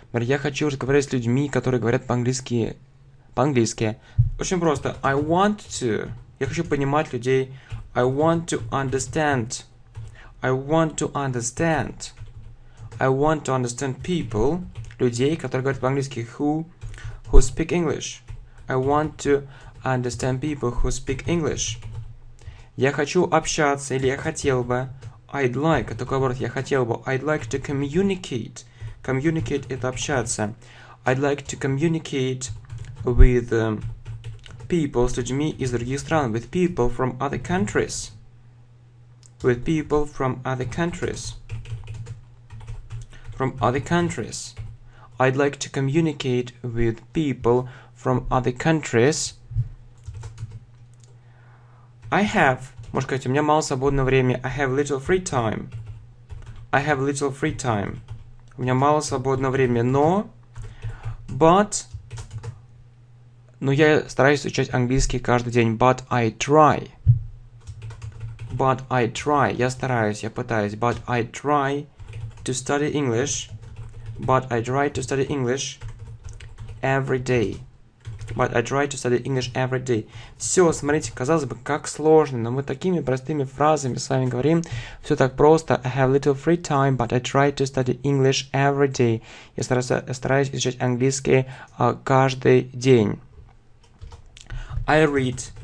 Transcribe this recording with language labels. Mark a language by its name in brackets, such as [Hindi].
[Russian] Например, я хочу разговаривать с людьми, которые говорят по-английски. По-английски. Очень просто. [English] I want to. [Russian] Я хочу понимать людей. [English] I want to understand. I want to understand. I want to understand people. [Russian] Людей, которые говорят по-английски. [English] Who speak English. I want to understand people who speak English. [Russian] Я хочу общаться, или я хотел бы. [English] I'd like. [Russian] Такой оборот. Я хотел бы. [English] I'd like to communicate. Communicate – [Russian] это общаться. [English] I'd like to communicate with people, [Russian] с людьми из других стран. [English] With people from other countries. With people from other countries. From other countries. I'd like to communicate with people from other countries. I have. [Russian] Можешь сказать, у меня мало свободного времени. [English] I have little free time. I have little free time. [Russian] У меня мало свободного времени, но... [English] But... [Russian] Но я стараюсь изучать английский каждый день. [English] But I try. But I try. [Russian] Я стараюсь, я пытаюсь. [English] But I try to study English. But I try to study English every day. But I try to study English every day. [Russian] Все, смотрите, казалось бы, как сложно, но мы такими простыми фразами с вами говорим. Все так просто. [English] I have little free time, but I try to study English every day. [Russian] Я стараюсь изучать английский каждый день. [English] I read.